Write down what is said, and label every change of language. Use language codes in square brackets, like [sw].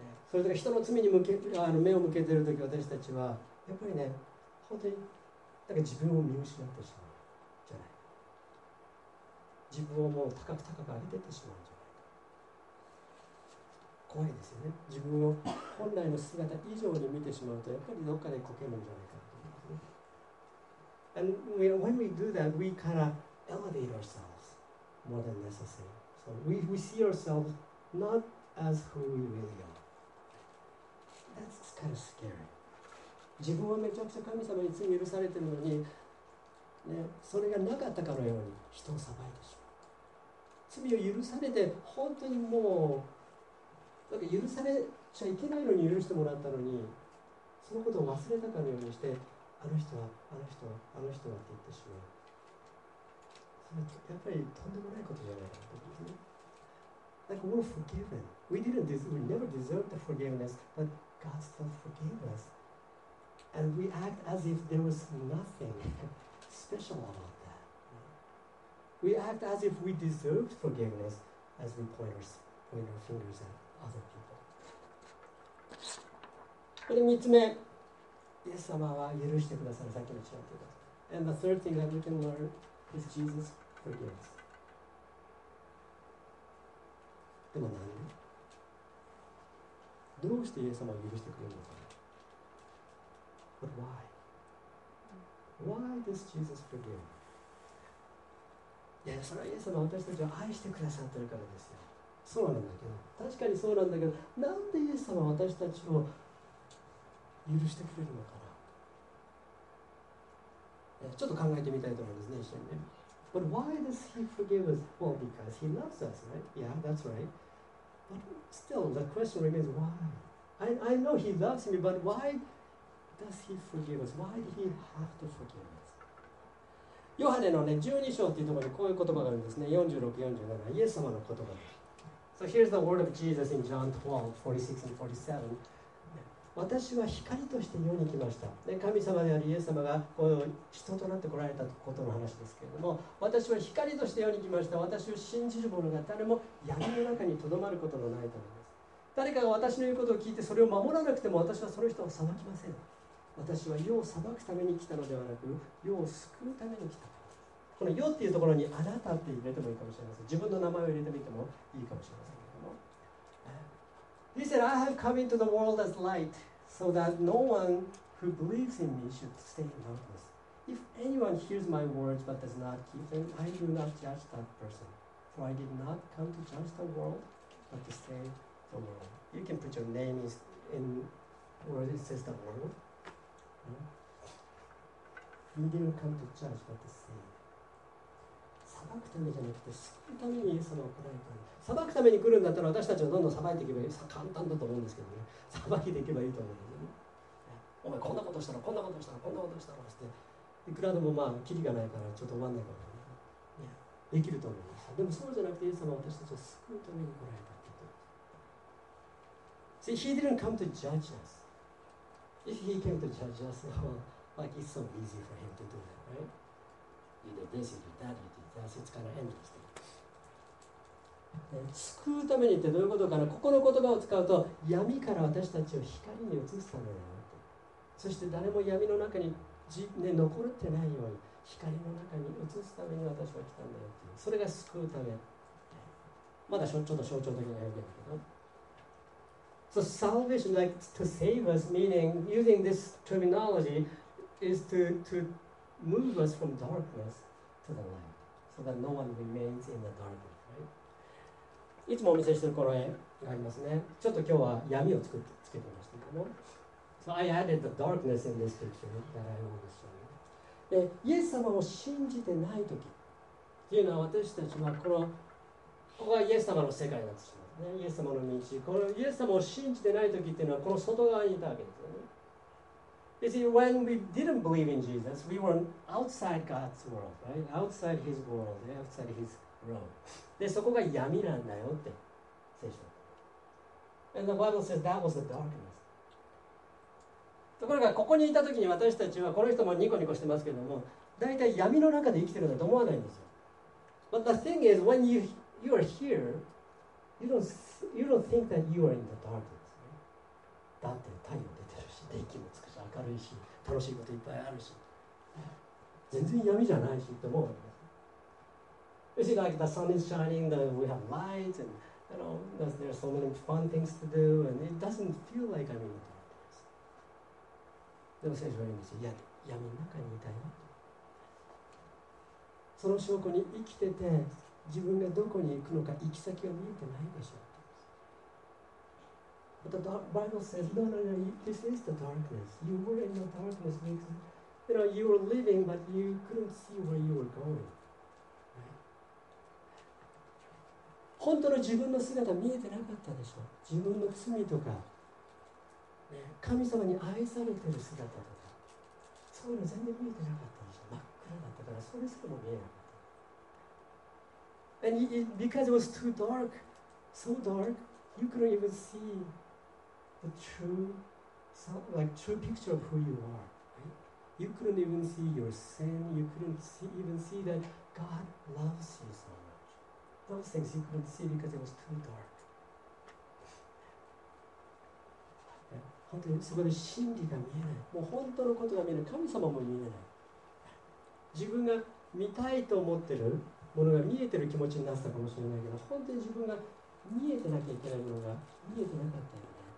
[ja] それで人の罪に目を向けているとき、私たちはやっぱりね、本当になんか自分を見失ってしまうじゃない。自分をもう高く高く上げていってしまうんじゃないか。怖いですよね。自分を本来の姿以上に見てしまうと、やっぱりどっかでこけるんじゃないかと思うんですね。 [en] And when we do that, we kind of elevate ourselves more than necessary. So we see ourselves not as who we really are. That's kind of scary. [ja] 自分はめちゃくちゃ神様に罪許されているのに、ね、それがなかったかのように人を裁いてしまう。罪を許されて本当にもうなんか許されちゃいけないのに許してもらったのに、そのことを忘れたかのようにして、あの人はあの人はあの人はって言ってしまう。それはやっぱりとんでもないことじゃないかと思うんですね。 [en] Like we're forgiven. We never deserved the forgiveness, butGod still forgave us. And we act as if there was nothing special about that. We act as if we deserved forgiveness as we point our fingers at other people. [ja] これ三つ目。イエス様は許してくださる、さっきの違うということ。 [en] And the third thing that we can learn is Jesus forgives. [ja] でも何でどうしてイエス様を許してくれるのか。 [en] But why? Why does Jesus forgive? [ja] いや、それはイエス様は私たちを愛してくださってるからですよ。そうなんだけど、確かにそうなんだけど、なんでイエス様は私たちを許してくれるのかな。ちょっと考えてみたいと思うんですね、一緒にね。 [en] But why does he forgive us? Well, because he loves us, right? Yeah, that's right. But still, the question remains, why? I know he loves me, but why does he forgive us? Why did he have to forgive us? [ja] ヨハネの、ね、12章っていうところにこういう言葉があるんですね。 46、47、イエス様の言葉です。 [en] So here's the word of Jesus in John 12, 46 and 47. [ja] 私は光として世に来ました。で、神様であるイエス様がこう人となって来られたことの話ですけれども、私は光として世に来ました。私を信じる者が誰も闇の中にとどまることのないと思います。誰かが私の言うことを聞いてそれを守らなくても私はその人を裁きません。私は世を裁くために来たのではなく、世を救うために来た。この世っていうところにあなたって入れてもいいかもしれません。自分の名前を入れてみてもいいかもしれませんけども。 [en] He said, I have come into the world as light, so that no one who believes in me should stay in darkness. If anyone hears my words but does not keep them, I do not judge that person. For I did not come to judge the world, but to save the world. You can put your name in where it says the world. He didn't come to judge, but to save. [ja] 裁くためじゃなくて救うためにイエス様が来られたんだ。裁くために来るんだったら私たちはどんどん裁いていけばいい。簡単だと思うんですけどね。裁きでいけばいいと思うんですよね。お前こんなことしたらこんなことしたらこんなことしたらしていくらでもまあキリがないからちょっと終わんないから、ね、できると思うんですよ。でもそうじゃなくてイエス様は私たちを救うために来られたってことです。 [en] See, he didn't come to judge us. If he came to judge us, like it's so easy for him to do that, right? You do this, you do that, you do that. It's kind of endless. [ja] 救うためにってどういうことかな。ここの言葉を使うと、闇から私たちを光に移すためだよって。そして誰も闇の中に、ね、残ってないように光の中に移すために私は来たんだよっていう。それが救うため。まだちょっと象徴的な表現だけど。 [en] So salvation, like to save us, meaning using this terminology is to move us from darkness to the light, so that no one remains in the darkness.、Right? [ja] いつもお見せしているこの絵がありますね。ちょっと今日は闇をつけてみましたけど。 [en] So I added the darkness in this picture that I want to show you. [ja] イエス様を信じてないとき、というのは私たちはここがイエス様の世界だとしますね。イエス様の道。このイエス様を信じてないときというのはこの外側にいたわけです。 [en] You see, when we didn't believe in Jesus, we were outside God's world, right? Outside His world, outside His realm. [ja] で、そこが闇なんだよって聖書。 [en] And the Bible says that was the darkness. [ja] ところが、ここにいたときに私たちは、この人もニコニコしてますけども、だいたい闇の中で生きてるんだと思わないんですよ。 [en] But the thing is, when you are here, you don't think that you are in the darkness.、Right? [ja] だって太陽出てるし、電気もつく。明るいし楽しいこといっぱいあるし全然闇じゃないしって思う。 [en] You see, like the sun is shining, the, we have lights and you know, there are so many fun things to do and it doesn't feel like I'm in the darkness. [ja] でも聖書は言うんですよ、いや闇の中にいたよ。その証拠に生きてて自分がどこに行くのか行き先が見えてないでしょ。 [en] But the Bible says, no, this is the darkness. You were in the darkness because, you know, you were living, but you couldn't see where you were going. Right? [ja] 本当の自分の姿見えてなかったでしょ。自分の罪とか、神様に愛されてる姿とか、そういうの全然見えてなかったでしょ。真っ暗だったから、それすらも見えなかった。 [en] And because it was too dark, so dark, you couldn't even see. The true picture of who you are.、Right? You couldn't even see your sin. You couldn't even see that God loves you so much. Those things you couldn't see because it was too dark. [ja] 本当にそこで真理が見えない。もう本当のことが見えない。神様も見えない。自分が見たいと思ってるものが見えてる気持ちになったかもしれないけど、本当に自分が見えてなきゃいけないものが見えてなかったよ。